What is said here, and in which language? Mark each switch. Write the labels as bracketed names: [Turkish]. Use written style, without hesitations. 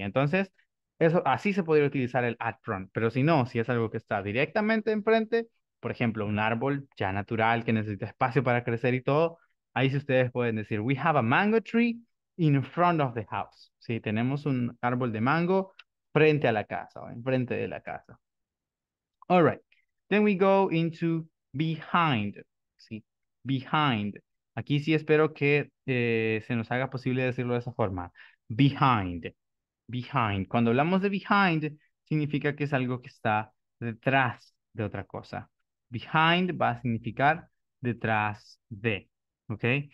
[Spanish] Entonces, eso así se podría utilizar el at front, pero si no, si es algo que está directamente enfrente, por ejemplo, un árbol ya natural que necesita espacio para crecer y todo, ahí sí ustedes pueden decir, [English] we have a mango tree in front of the house. [Spanish] Sí, tenemos un árbol de mango frente a la casa, o enfrente de la casa. [English] All right, then we go into behind, sí, behind. [Spanish] Aquí sí espero que se nos haga posible decirlo de esa forma. Behind. Behind. Cuando hablamos de behind, significa que es algo que está detrás de otra cosa. Behind va a significar detrás de. ¿Ok?